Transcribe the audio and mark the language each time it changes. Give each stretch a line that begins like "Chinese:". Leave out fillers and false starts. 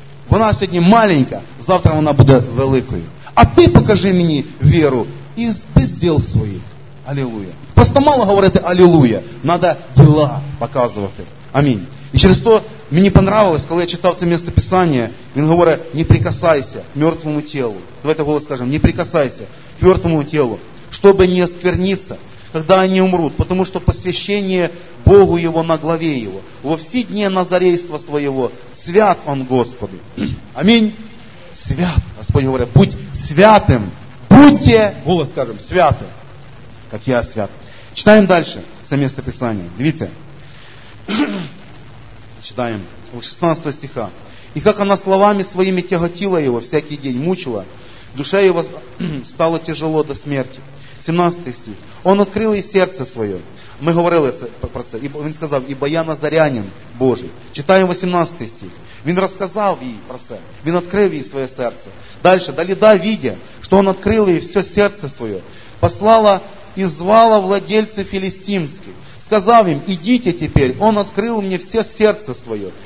Ukrainian: Вона сьогодні маленька, завтра вона буде великою. А ти покажи мені віру із безділ своїх. Алілуя. Просто мало говорити алілуя. Надо діла показувати. Амінь. І через то мені понравилось, коли я читав це містописання, він говорить, не прикасайся к мертвому тілу. Давайте голос скажемо,
Russian: не прикасайся к мертвому тілу, щоб не оскверниться, когда они умрут, потому что посвящение Богу его на главе его. Во все дни назарейства своего свят он Господу. Аминь. Свят. Господь говорит, будь святым. Будьте, голос скажем, святым. Как я свят. Читаем дальше это местописание. Видите? Читаем 16 стиха. «И как она словами своими тяготила его, всякий день мучила, душа его стало тяжело до смерти». 17 стих. «Он открыл ей сердце свое».
Ukrainian: Мы говорили про це. Він сказав, ібо я назарянин Божий. Читаємо 18 стих. Він розказав їй про це. Він відкрив їй своє серце. Далі, Даліда, видя, що він відкрив їй все серце своє, послала і звала владельців філістимських. Сказав їм, ідіть тепер, він відкрив мені все серце своє.